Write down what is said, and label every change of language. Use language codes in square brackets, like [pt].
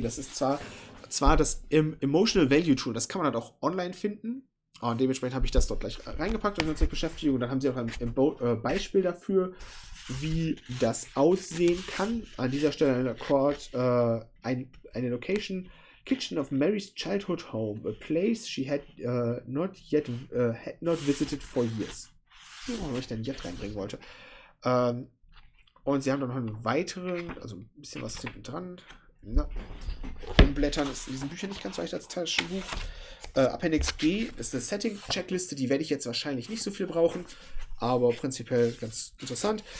[de] Das ist zwar das Emotional Value Tool, das kann man halt auch online finden. Und dementsprechend habe ich das dort gleich reingepackt und dann zur Beschäftigung. Und dann haben sie auch ein Beispiel dafür, wie das aussehen kann. An dieser Stelle ein Akkord, eine Location. [en] Kitchen of Mary's Childhood Home. A place she had not visited for years. [de] Warum ich denn jetzt reinbringen wollte. Und sie haben dann noch einen weiteren, also ein bisschen was hinten dran. Umblättern ist in diesen Büchern nicht ganz so leicht als Taschenbuch. Appendix G ist eine Setting-Checkliste, die werde ich jetzt wahrscheinlich nicht so viel brauchen, aber prinzipiell ganz interessant.